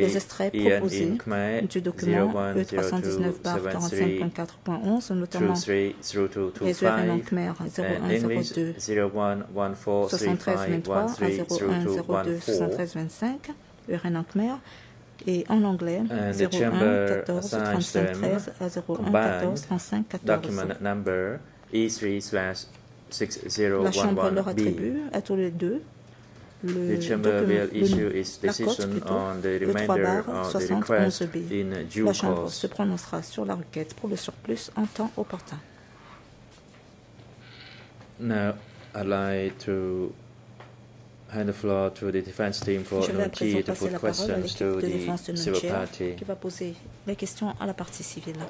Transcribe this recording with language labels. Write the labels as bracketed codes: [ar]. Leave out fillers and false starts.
[fr] les extraits proposés du document E319/45.4.11, notamment les Yoeurn en Khmer 0102-7323-01-02-7325, Yoeurn en Khmer, et en anglais 01-14-35-13-01-14-35-14. La Chambre leur attribue à tous les deux. [en] The chamber will issue its decision on the remainder of the request in due course. [fr] La chambre se prononcera sur la requête pour le surplus en temps opportun. [en] Now, I'd like to hand the floor to the defense team for Nunchia to put questions to the civil party. [fr] Qui va poser les questions à la partie civile.